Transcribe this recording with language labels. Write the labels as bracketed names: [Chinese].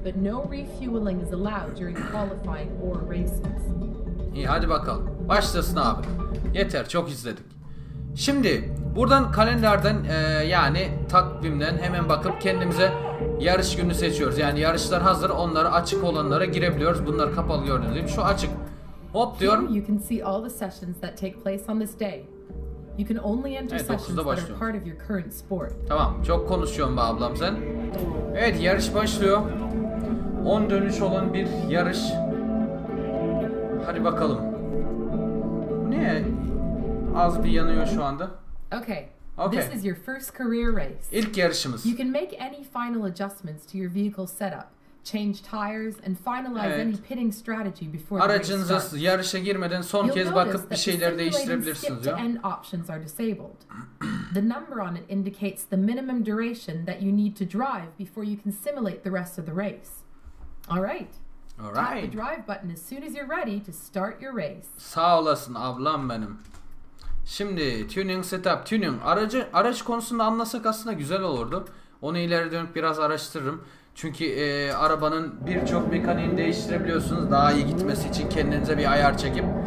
[English] But no refueling is allowed during qualifying or races. [Turkish] İyi, hadi bakalım. Başlasın abi. Yeter, çok izledik. Şimdi buradan kalenderden yani takvimden hemen bakıp kendimize yarış günü seçiyoruz. Yani yarışlar hazır, onları açık olanlara girebiliyoruz. Bunlar kapalı gördüğünüz gibi. Şu açık. Hop diyorum. [English] You can see all the sessions that take place on this day. You can only enter sessions that are part of your current sport. [Turkish] Tamam, çok konuşuyorum be ablam sen. Evet, yarış başlıyor. 10 dönüş olan bir yarış. Hadi bakalım. Ne? Az bir yanıyor şu anda. [English] Okay. This is your first career race. [Turkish] İlk yarışımız. [English] You can make any final adjustments to your vehicle setup. Change tires and finalize any pitting strategy before the race. [Turkish] Aracınızı yarışa girmeden son kez bakıp bir şeyler değiştirebilirsiniz ya. [English] End options are disabled. The number on it indicates the minimum duration that you need to drive before you can simulate the rest of the race. All right. All right. Tap the drive button as soon as you're ready to start your race. [Turkish] Sağ olasın ablam benim. Şimdi tuning setup, tuning. Araç konusunda anlasak aslında güzel olurdu. Onu ileri dönük biraz araştırırım. Çünkü arabanın birçok mekaniğini değiştirebiliyorsunuz daha iyi gitmesi için kendinize bir ayar çekip.